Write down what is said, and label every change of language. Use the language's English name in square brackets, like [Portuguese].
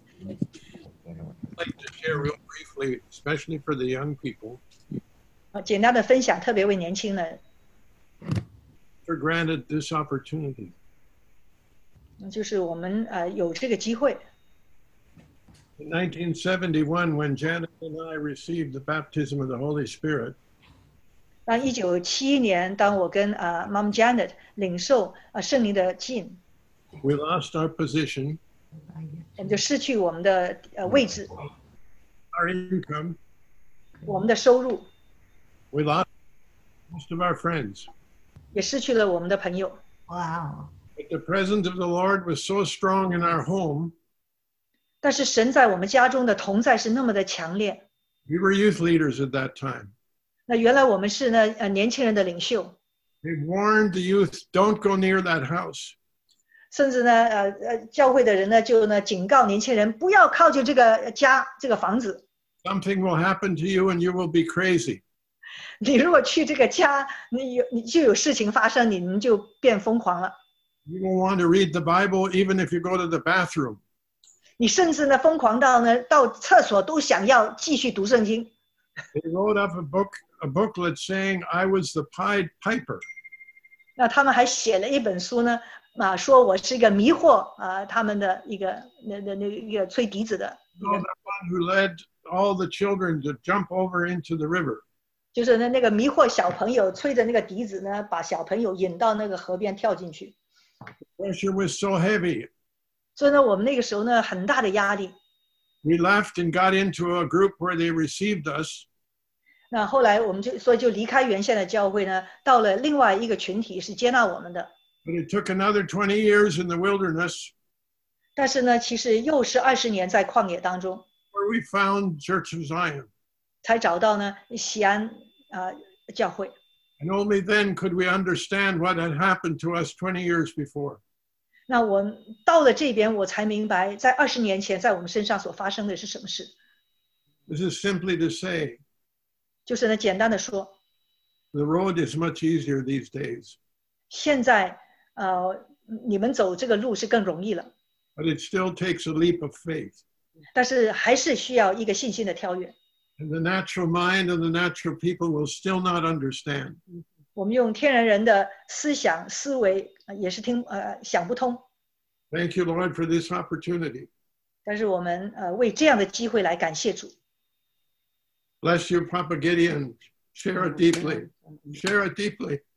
[English] I'd like to share real briefly, especially for the young people. [Chinese] 简单的分享, 特别为年轻人, [English] for granted this opportunity. [Chinese] 就是我们, 有这个机会。 [English] In 1971, when Janet and I received the baptism of the Holy Spirit, [Chinese] 1971年, 当我跟, Mom Janet 领受, 圣灵的浸, [English] we lost our position. [Chinese] 就失去我们的, 位置。 [English] Our income, [Chinese] 我们的收入, [English] we lost most of our friends. [Chinese] 也失去了我们的朋友, [English] wow. But the presence of the Lord was so strong in our home. [Chinese] 但是神在我们家中的同在是那么的强烈, [English] we were youth leaders at that time. [Chinese] 那原来我们是呢, 年轻人的领袖, [English] they warned the youth, don't go near that house. [Chinese] 甚至呢, 教会的人呢, 就呢, 警告年轻人, 不要靠近这个家, 这个房子。 [English] Something will happen to you and you will be crazy. [Chinese] 你如果去这个家, 你就有事情发生, 你们就变疯狂了。 [English] You don't want to read the Bible even if you go to the bathroom. [Chinese] 你甚至呢, 疯狂到呢, 到厕所都想要继续读圣经。 [English] They wrote up a booklet saying, I was the Pied Piper. [Chinese] 那他们还写了一本书呢, 说我是一个迷惑, 他们的一个, 那个吹笛子的。 [English] The one who led all the children to jump over into the river. [Chinese] 就是那个迷惑小朋友吹着那个笛子呢, 把小朋友引到那个河边跳进去。 [English] The pressure was so heavy. [Chinese] 所以呢, 我们那个时候呢, 很大的压力。 [English] We left and got into a group where they received us. [Chinese] 那后来我们就, 所以就离开原先的教会呢, 到了另外一个群体是接纳我们的。 [English] But it took another 20 years in the wilderness. [Chinese] 但是呢, 其实又是20年在旷野当中。 [English] Where we found Church of Zion. [Chinese] 才找到呢, 西安, [English] and only then could we understand what had happened to us 20 years before. [Chinese] 那我到了这边, 我才明白, 在20年前, [English] this is simply to say, [Chinese] 就是呢, 简单地说, [English] the road is much easier these days. [Chinese] 现在, 你们走这个路是更容易了, [English] but it still takes a leap of faith. [Chinese] 但是还是需要一个信心的跳跃。 [English] And the natural mind and the natural people will still not understand. [Chinese] 我们用天然人的思想思维也是听, 想不通。 [English] Thank you, Lord, for this opportunity. [Chinese] 但是我们, 为这样的机会来感谢主。 [English] Bless you, Papa Gideon. Share it deeply. Share it deeply.